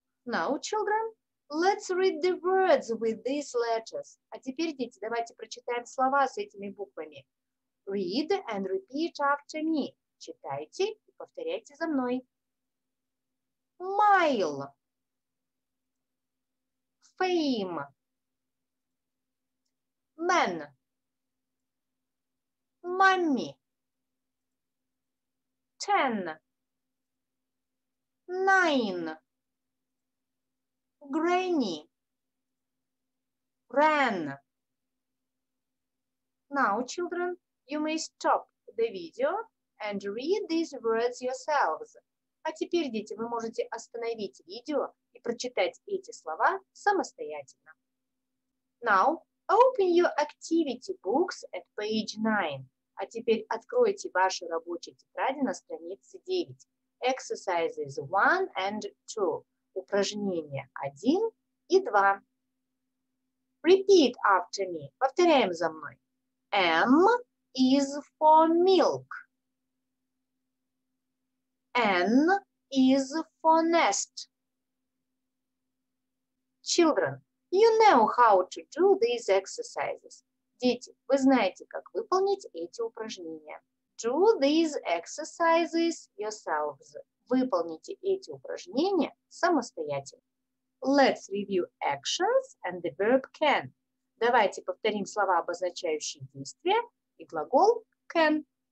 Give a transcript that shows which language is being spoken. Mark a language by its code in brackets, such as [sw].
[en] Now, children, let's read the words with these letters. [ru] А теперь, дети, давайте прочитаем слова с этими буквами. [en] Read and repeat after me. [ru] Читайте и повторяйте за мной. [en] Mile. Fame. Man. Mommy. Ten. Nine. Granny, ran. Now, children, you may stop the video and read these words yourselves. [ru] А теперь, дети, вы можете остановить видео и прочитать эти слова самостоятельно. [en] Now, open your activity books at page 9. [ru] А теперь откройте ваши рабочие тетради на странице 9. [en] Exercises 1 and 2. [ru] Упражнения 1 и 2. [en] Repeat after me. [ru] Повторяем за мной. [en] M is for milk. N is for nest. Children, you know how to do these exercises. [ru] Дети, вы знаете, как выполнить эти упражнения. [en] Do these exercises yourselves. [ru] Выполните эти упражнения самостоятельно. [en] Let's review actions and the verb can. [ru] Давайте повторим слова, обозначающие действия, и глагол can.